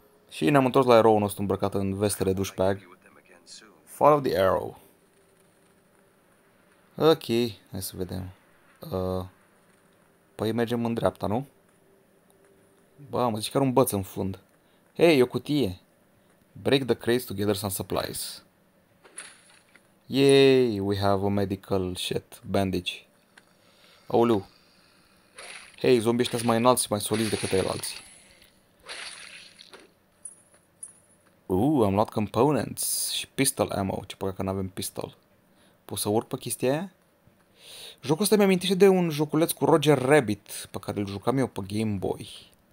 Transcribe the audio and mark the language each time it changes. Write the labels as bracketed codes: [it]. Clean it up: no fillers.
[ro] Și ne-am întors la eroul nostru îmbrăcat în vestele douchebag. [en] Follow the arrow. [ro] Ok, hai să vedem. Păi mergem în dreapta, nu? Bă, mă zici că are un băț în fund. Hei, o cutie. [en] Break the crates to gather some supplies. Yay, we have a medical shit, bandage. [ro] Aoleu. Hei, zombii ăștia sunt mai înalți și mai solizi decât ai alții. Am luat components și pistol ammo. Ce păcat că n-avem pistol. Pot să urc pe chestia aia? Jocul ăsta mi-amintește de un joculeț cu Roger Rabbit, pe care îl jucam eu pe Game Boy.